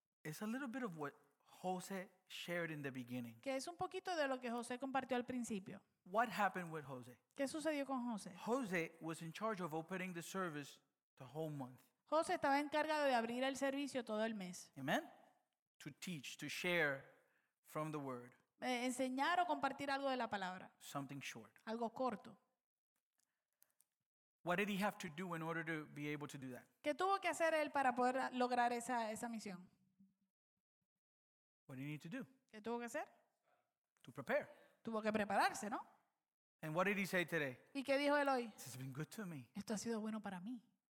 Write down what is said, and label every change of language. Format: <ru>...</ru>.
<en>It's a little bit of what Jose shared in the beginning.</en> <es>Que es un poquito de lo que José compartió al principio.</es> <en>What happened with Jose?</en> <es>¿Qué sucedió con José?</es> <en>Jose was in charge of opening the service the whole month.</en> <es>José estaba encargado de abrir el servicio todo el mes.</es> <en>Amen. To teach, to share from the word.</en> <es>Enseñar o compartir algo de la palabra.</es> <en>Something short.</en> <es>Algo corto.</es> <en>What did he have to do in order to be able to do that?</en> <es>¿Qué tuvo que hacer él para poder lograr esa misión?</es> <en>What did he need to do?</en> <es>¿Qué tuvo que hacer?</es> <en>To prepare.</en> <es>Tuvo que prepararse, ¿no?</es> <en>And what did he say today?</en> <es>¿Y qué dijo él hoy?</es> <en>This has been good to me.</en> <es>Esto ha sido bueno para mí.</es>